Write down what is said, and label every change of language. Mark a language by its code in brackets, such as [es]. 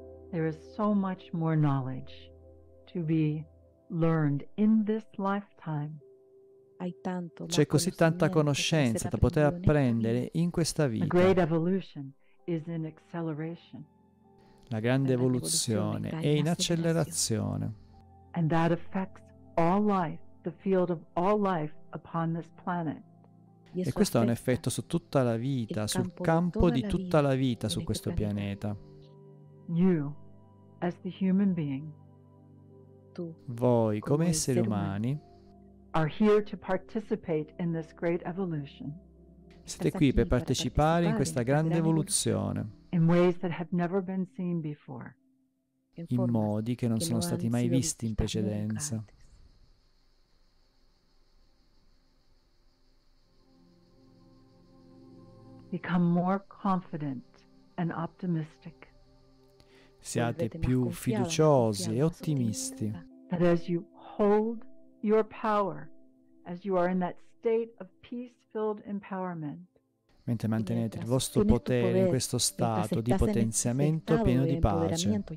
[en] There is so much more knowledge to be learned in this lifetime. [it] C'è così tanta conoscenza da poter apprendere in questa vita. [en] The great evolution is in acceleration. [it] La grande evoluzione è in accelerazione. [en] And that affects all life, the field of all life upon this planet. [it] E questo ha un effetto su tutta la vita, sul campo di tutta la vita su questo pianeta. [en] As the human being, [it] tu, voi come esseri umani, [en] are here to participate in this great evolution. [it] Siete qui per partecipare in questa grande evoluzione. [en] In ways that have never been seen before. [it] In modi che non sono stati mai visti in precedenza. [en] Become more confident and optimistic. [it] Siate più fiduciosi e ottimisti. [en] That as you hold your power, as you are in that state of peace-filled empowerment. [it] Mentre mantenete il vostro potere in questo stato di potenziamento pieno di pace.